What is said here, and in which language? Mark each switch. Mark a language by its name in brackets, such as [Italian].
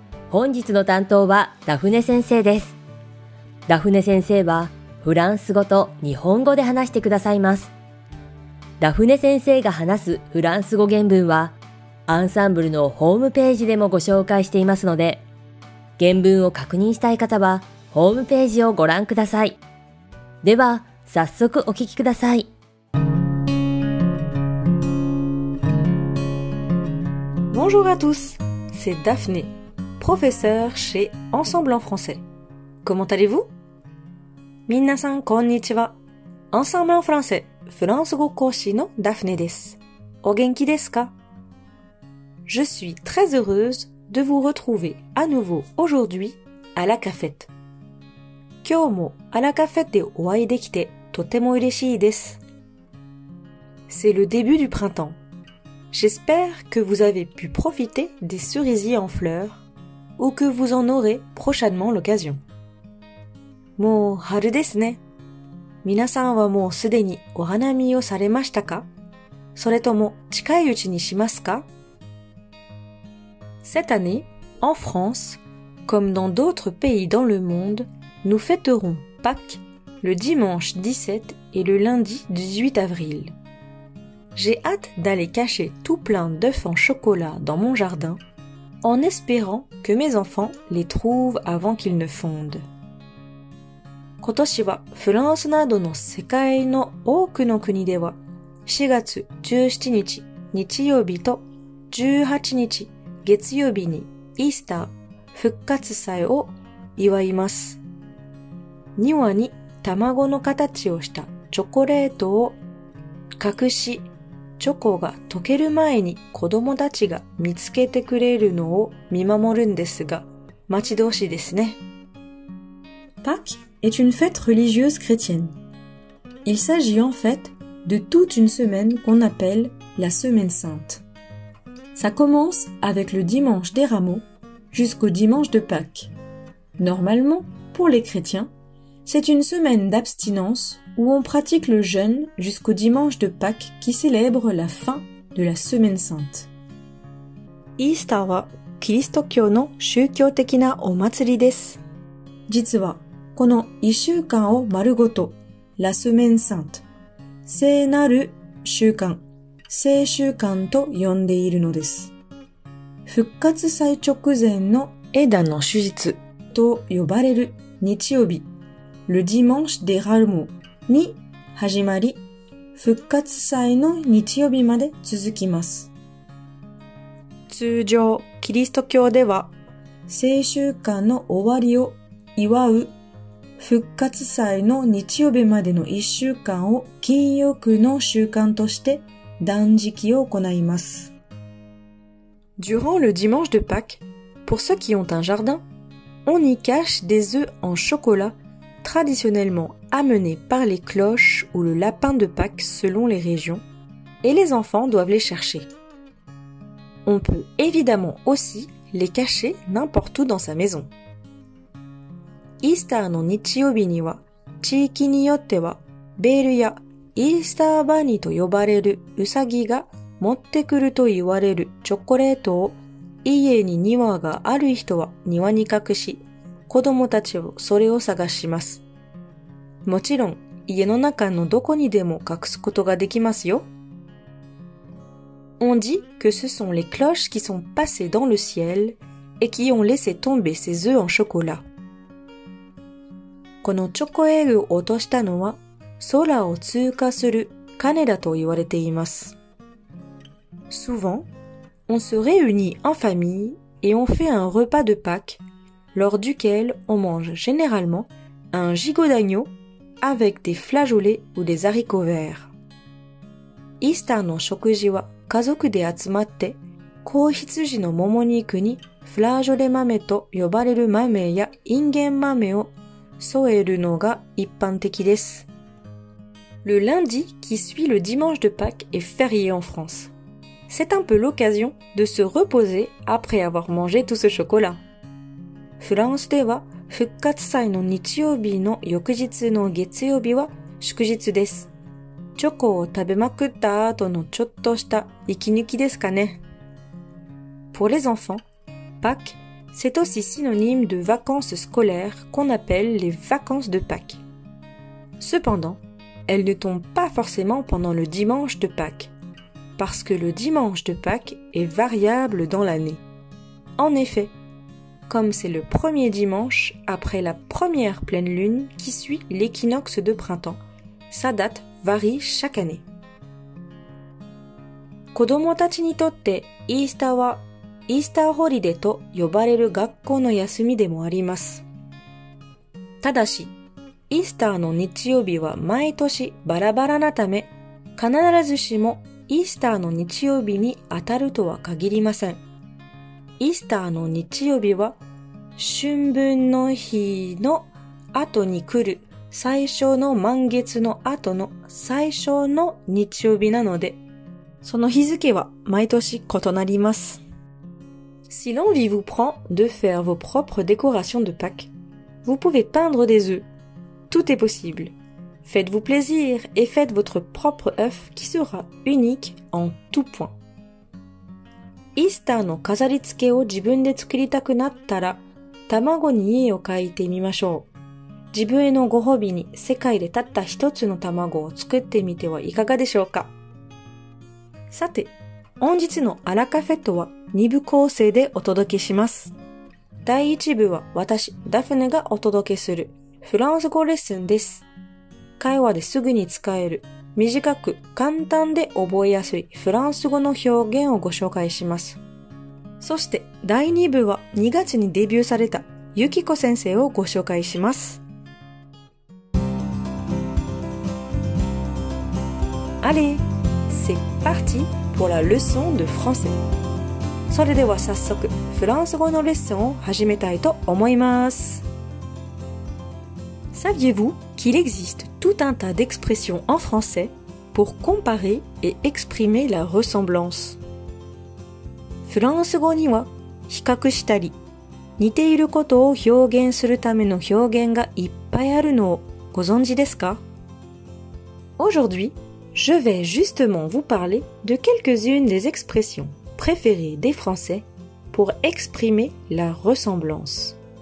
[Japanese] 本日の担当はダフネ先生です。ダフネ先生はフランス語と日本語で話してくださいます。ダフネ先生が話すフランス語原文はアンサンブルのホームページでもご紹介していますので、原文を確認したい方はホームページをご覧ください。では早速お聞きください。 [French] Bonjour à tous, c'est Daphné, professeur chez Ensemble en français. Comment allez-vous? [Japanese] 皆さんこんにちは。 Ensemble en français, フランス語講師のダフネです。お元気ですか? [French] Je suis très heureuse de vous retrouver à nouveau aujourd'hui à la cafette. [Japanese] 今日もあらカフェでお会いできて、とても嬉しいです。 [French] C'est le début du printemps. J'espère que vous avez pu profiter des cerisiers en fleurs ou que vous en aurez prochainement l'occasion. [Japanese] もう春ですね。皆さんはもうすでにお花見をされましたか?それとも近いうちにしますか? [French] Cette année, en France, comme dans d'autres pays dans le monde, nous fêterons Pâques. Le dimanche 17 et le lundi 18 avril. J'ai hâte d'aller cacher tout plein d'œufs en chocolat dans mon jardin, en espérant que mes enfants les trouvent avant qu'ils ne fondent. [Japanese] 今年はフランスなどの世界の多くの国では、4月17日日曜日と18日月曜日にイースター復活祭を祝います。庭に卵の形をしたチョコレートを隠し、チョコが溶ける前に子供たちが見つけてくれるのを見守るんですが、待ち遠しいですね。 [French] Pâques est une fête religieuse chrétienne. Il s'agit en fait de toute une semaine qu'on appelle la semaine sainte. Ça commence avec le dimanche des rameaux jusqu'au dimanche de Pâques. Normalement, pour les chrétiens,C'est une semaine d'abstinence où on pratique le jeûne jusqu'au dimanche de Pâques qui célèbre la fin de la semaine sainte. [Japanese] イースターはキリスト教の宗教的なお祭りです。実はこの一週間を丸ごと、 [French] la semaine sainte、 [Japanese] 聖なる週間、聖週間と呼んでいるのです。復活祭直前の枝の主日と呼ばれる日曜日、 [French] Le dimanche des rameaux [Japanese] に始まり、復活祭の日曜日まで続きます。通常、キリスト教では、聖週間の終わりを祝う復活祭の日曜日までの一週間を禁欲の週間として断食を行います。 [French] Durant le dimanche de Pâques, pour ceux qui ont un jardin, on y cache des œufs en chocolat. Traditionnellement amené par les cloches ou le lapin de Pâques selon les régions, et les enfants doivent les chercher. On peut évidemment aussi les cacher n'importe où dans sa maison. [Japanese] イースターの日曜日には、地域によっては、ベールやイースターバニーと呼ばれるウサギが持ってくると言われるチョコレートを、家に庭がある人は庭に隠し、子供たちをそれを探します。もちろん、家の中のどこにでも隠すことができますよ。 [French] On dit que ce sont les cloches qui sont passées dans le ciel et qui ont laissé tomber ces œufs en chocolat. [Japanese] このチョコエッグを落としたのは、空を通過する鐘だと言われています。 [French] Souvent, on se réunit en famille et on fait un repas de Pâques.Lors duquel on mange généralement un gigot d'agneau avec des flageolets ou des haricots verts. [Japanese] イースターの食事は家族で集まって、子羊のもも肉にフラージョレ豆と呼ばれる豆やインゲン豆を添えるのが一般的です。 [French] Le lundi qui suit le dimanche de Pâques est férié en France. C'est un peu l'occasion de se reposer après avoir mangé tout ce chocolat. [Japanese] フランスでは復活祭の日曜日の翌日の月曜日は祝日です。チョコを食べまくった後のちょっとした息抜きですかね。 [French] Pour les enfants, Pâques, c'est aussi synonyme de vacances scolaires qu'on appelle les vacances de Pâques. Cependant, elles ne tombent pas forcément pendant le dimanche de Pâques, parce que le dimanche de Pâques est variable dans l'année. En effet, comme c'est le premier dimanche après la première pleine lune qui suit l'équinoxe de printemps, sa date varie chaque année. [Japanese] 子供たちにとってイースターはイースターホリデーと呼ばれる学校の休みでもあります。ただし、イースターの日曜日は毎年バラバラなため、必ずしもイースターの日曜日に当たるとは限りません。イースターの日曜日は、春分の日の後に来る最初の満月の後の最初の日曜日なので、その日付は毎年異なります。 [French] Si l'envie vous prend de faire vos propres décorations de Pâques, vous pouvez peindre des œufs. Tout est possible. Faites-vous plaisir et faites votre propre œuf qui sera unique en tout point. [Japanese] イースターの飾り付けを自分で作りたくなったら、卵に絵を描いてみましょう。自分へのご褒美に世界でたった一つの卵を作ってみてはいかがでしょうか。さて、本日のアラカフェとは、二部構成でお届けします。第一部は私、ダフネがお届けするフランス語レッスンです。会話ですぐに使える、短く簡単で覚えやすいフランス語の表現をご紹介します。そして第二部は2月にデビューされたユキコ先生をご紹介します。 [French] Allez, c'est parti pour la leçon de français. [Japanese] それでは早速フランス語のレッスンを始めたいと思います。 [French] Saviez-vous qu'il existe tout un tas d'expressions en français pour comparer et exprimer la ressemblance? [Japanese] フランス語には比較したり似ていることを表現するための表現がいっぱいあるのをご存知ですか? [French] Aujourd'hui, je vais justement vous parler de quelques-unes des expressions. préféré des Français pour exprimer la ressemblance.